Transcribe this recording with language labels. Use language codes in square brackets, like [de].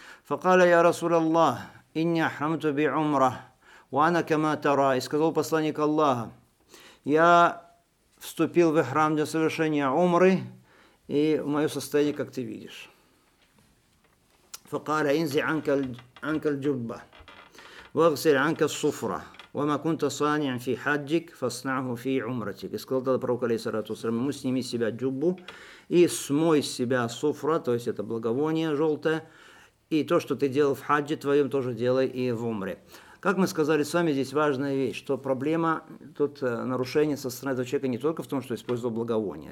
[ar] «Факаля я Расул Аллах, инни ахрамту би умра, вана кама тара». [ru] И сказал посланник Аллаха, «Я вступил в храм для совершения умры, и мое состояние, как ты видишь». [ar] «Факаля инзи анка джубба, вагсиль анка суфра». وما كنت صانعا في حجك فاصنعه في عمرتك. [ru] Сказал тогда пророк, алейхиссалату вассалям, ему сними с себя джуббу и смой с себя суфра, то есть это благовоние желтое, и то, что ты делал в хадже твоем, тоже делай и в умре. Как мы сказали с вами, здесь важная вещь, что проблема, тут нарушение со стороны этого человека не только в том, что использовал благовоние.